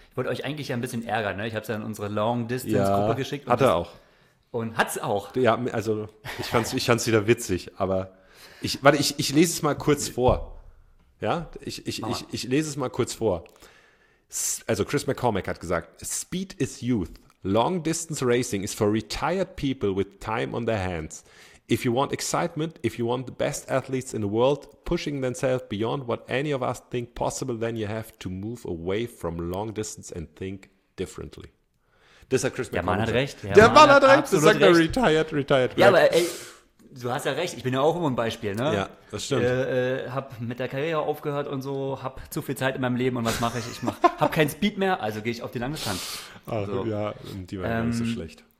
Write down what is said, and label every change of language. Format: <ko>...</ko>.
<de>Ich wollte euch eigentlich ja ein bisschen ärgern, ne? Ich habe es ja in unsere Long-Distance-Gruppe ja, geschickt. Und hat er auch. Und hat es auch. Ja, also ich fand's wieder witzig, aber ich lese es mal kurz vor. Ja, ich lese es mal kurz vor. Also Chris McCormick hat gesagt,</de> <en>Speed is youth. Long distance racing is for retired people with time on their hands. If you want excitement, if you want the best athletes in the world pushing themselves beyond what any of us think possible, then you have to move away from long distance and think differently.</en> <de>Das hat Chris McCormick. Der Mann hat recht. Der Mann hat recht. Das sagt er retired. Ja, aber ey, du hast ja recht. Ich bin ja auch immer ein Beispiel, ne? Ja, das stimmt. Hab mit der Karriere aufgehört und so, hab zu viel Zeit in meinem Leben und was mache ich? Hab keinen Speed mehr, also gehe ich auf die Langdistanz. Ach so. Ja, die war ja nicht so schlecht.</de>